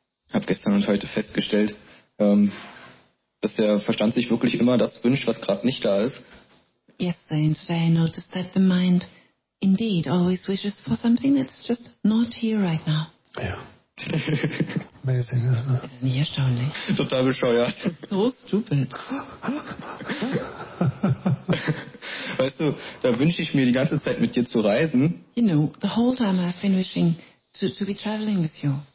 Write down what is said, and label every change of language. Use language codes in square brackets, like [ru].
[de] Hab gestern und heute festgestellt, dass der Verstand sich wirklich immer das wünscht, was gerade nicht da ist. [en] Yesterday and today I noticed that the mind indeed always wishes for something that's just not here right now. Ja. Yeah. Amazing, isn't it? [de] Das ist nicht erstaunlich. Total bescheuert. [en] So stupid. [de] Weißt du, da wünsche ich mir die ganze Zeit mit dir zu reisen. [en] You know, the whole time I've been wishing to be traveling with you.